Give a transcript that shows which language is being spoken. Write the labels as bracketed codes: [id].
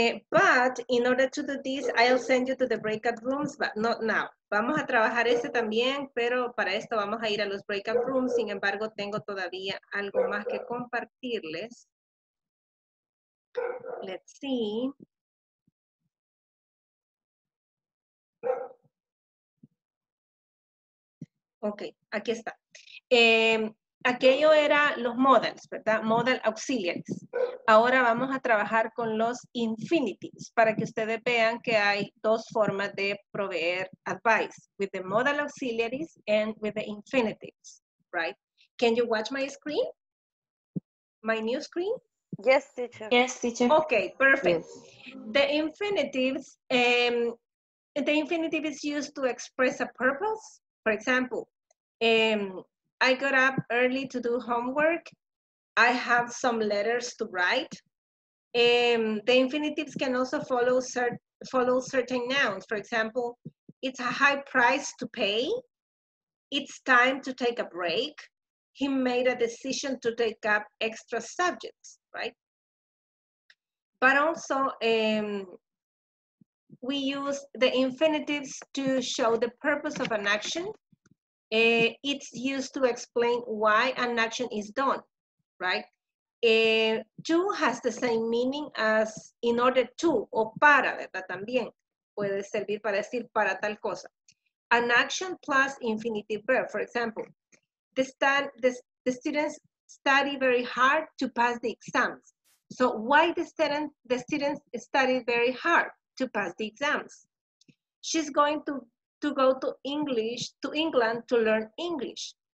[en] But in order to do this, I'll send you to the breakout rooms, but not now. [es] Vamos a trabajar ese también, pero para esto vamos a ir a los breakout rooms. Sin embargo, tengo todavía algo más que compartirles. [en] Let's see. [es] Ok, aquí está. Aquello era los modals, ¿verdad? [en] Modal auxiliaries. [es] Ahora vamos a trabajar con los infinitives para que ustedes vean que hay dos formas de proveer advice. [en] With the modal auxiliaries and with the infinitives, right? Can you watch my screen? My new screen? Yes, teacher. Yes, teacher. Okay, perfect. Yes. The infinitives, the infinitive is used to express a purpose. For example, I got up early to do homework. I have some letters to write. The infinitives can also follow certain nouns. For example, it's a high price to pay. It's time to take a break. He made a decision to take up extra subjects, right? But also, we use the infinitives to show the purpose of an action. It's used to explain why an action is done, right? To has the same meaning as in order to, [es] o para, ¿verdad? También puede servir para decir para tal cosa. [en] An action plus infinitive verb, for example, the students study very hard to pass the exams. So why the students study very hard to pass the exams? She's going to go to English, to England to learn English.